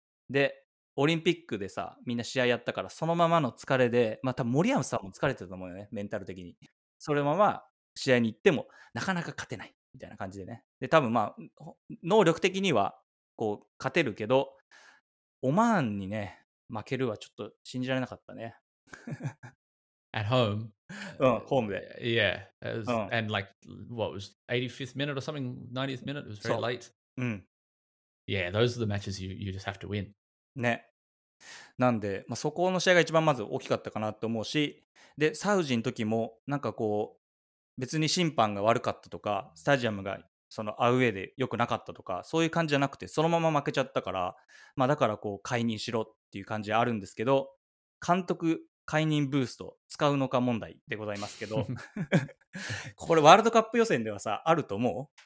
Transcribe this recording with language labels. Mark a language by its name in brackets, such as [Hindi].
[Japanese] で、オリンピックでさ、みんな試合やったから、そのままの疲れで、まあ、多分森山さんも疲れてると思うよね、メンタル的に。それまま試合に行ってもなかなか勝てないみたいな感じでね。で、多分まあ能力的にはこう勝てるけど、オマーンにね負けるはちょっと信じられなかったね。 [English] At home. Home there. Yeah. Was, and like, what was 85th minute or something? 90th minute? It was very late. Yeah, those are the matches you just have to win. [Japanese] ね。なんで、まあ、そこの試合が一番まず大きかったかなと思うし、で、サウジの時も、なんかこう、別に審判が悪かったとか、スタジアムがそのアウェーで良くなかったとか、そういう感じじゃなくて、そのまま負けちゃったから、まあだからこう、解任しろっていう感じあるんですけど、監督解任ブースト使うのか問題でございますけど、これワールドカップ予選ではさ、あると思う？